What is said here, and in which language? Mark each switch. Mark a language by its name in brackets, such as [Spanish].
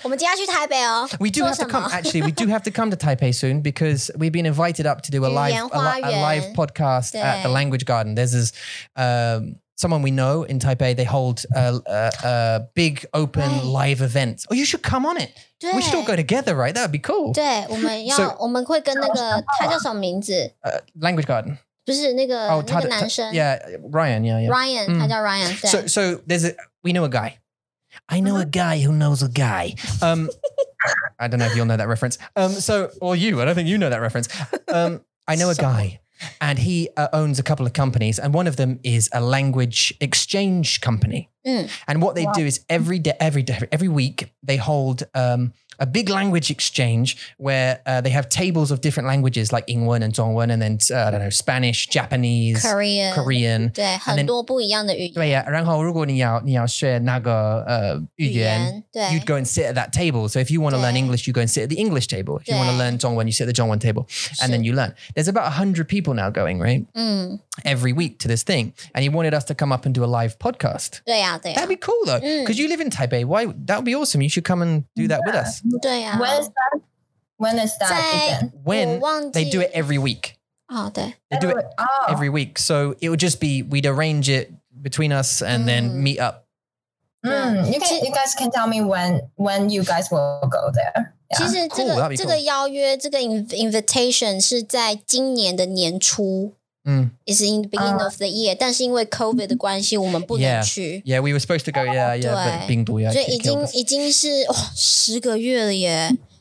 [Chinese] 我们今天去台北哦。 [English] We do have to come, actually. We do have to come to Taipei soon because we've been invited up to do a live podcast at the Language Garden. There's this... someone we know in Taipei, they hold a big open live event. Oh, you should come on it. We should all go together, right? That would be cool. [Chinese] 对，我们要，我们会跟那个，他叫什么名字？ [English] Language Garden. [Chinese] 不是，那个，那个男生。 [English] Yeah, Ryan, yeah, yeah. [Chinese] Ryan, 他叫 Ryan, 对。 [English] So, there's we know a guy. I know a guy who knows a guy. I don't know if you'll know that reference. I don't think you know that reference. I know a guy. And he owns a couple of companies. And one of them is a language exchange company. And what they do is every week they hold a big language exchange where they have tables of different languages like 英文and 中文 and then, I don't know, Spanish, Japanese, [Chinese] Korean. 对，很多不一样的语言。对呀，然后如果你要学那个语言，对， [English] you'd go and sit at that table. So if you want to learn English, you go and sit at the English table. If you want to learn 中文, you sit at the 中文 table. And then you learn. There's about 100 people now going, right? Every week to this thing. And he wanted us to come up and do a live podcast. [Chinese] 对呀，对呀。 [English] That'd be cool though. Because you live in Taipei. Why? That would be awesome. You should come and do that with us. [Chinese] 对呀。 [English] When is that? When they do it every week. [Chinese] 对。 [English] They do it every week. So it would just be, we'd arrange it between us and then meet up. You guys can tell me when you guys will go there. Yeah. [Chinese] 其实这个 邀约, 这个 invitation 是在今年的年初。 It's in the beginning of the year. 但是因为 COVID 的关系我们不能去。 [English] Yeah, we were supposed to go, but 病毒 [Chinese] 所以已经是十个月了耶。